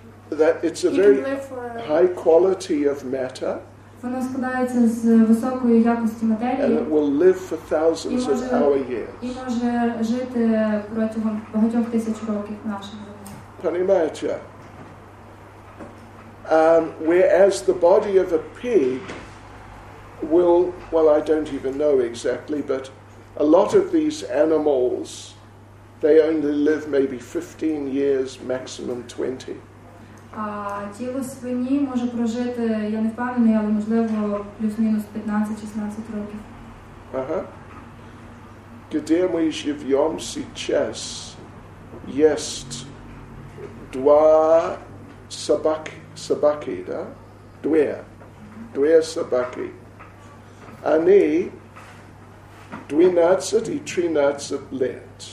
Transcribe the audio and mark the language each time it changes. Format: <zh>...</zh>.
<en>that it's a very high quality of matter.</en> <uk>Воно складається з високої якості матерії.</uk> <en>And it will live for thousands of our years.</en> <uk>І може жити протягом багатьох тисяч років наших.</uk> <ru>Понимаете?</ru> <en>Whereas the body of a pig will, well, I don't even know exactly, but a lot of these animals, they only live maybe 15 years, maximum 20.</en> <uk>Тіло свині може прожити, я не впевнений, але можливо плюс-мінус 15-16 років.</uk> <ru>Где мы живем сейчас, есть Два собаки, да? Две собаки. Они 12 и 13 лет.</ru>